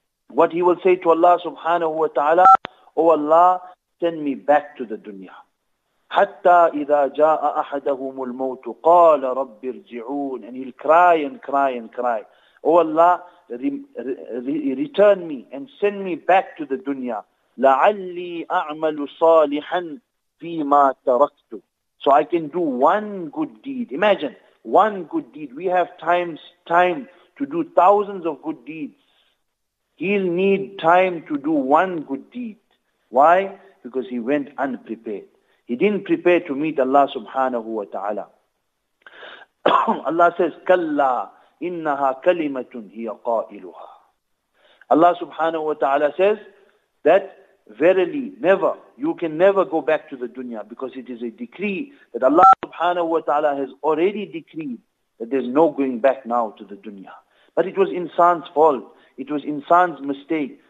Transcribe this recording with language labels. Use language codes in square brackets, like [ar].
[en] What he will say to Allah subhanahu wa ta'ala, oh Allah, send me back to the dunya. [ar] Hatta idha ja'a ahadahumul mawtu qala rabbi irji'un. [en] And he'll cry and cry and cry. Oh Allah, return me and send me back to the dunya. [ar] لعلي أعمل صالحا فيما تركت. [en] So I can do one good deed. Imagine, one good deed. We have time to do thousands of good deeds. He'll need time to do one good deed. Why? Because he went unprepared. He didn't prepare to meet Allah subhanahu wa ta'ala. Allah says, [ar] كَلَّا إِنَّهَا كَلِمَةٌ هِيَ قَائِلُهَا. [en] Allah subhanahu wa ta'ala says that verily, never, you can never go back to the dunya, because it is a decree that Allah subhanahu wa ta'ala has already decreed that there's no going back now to the dunya. But it was insan's fault. It was insan's mistake.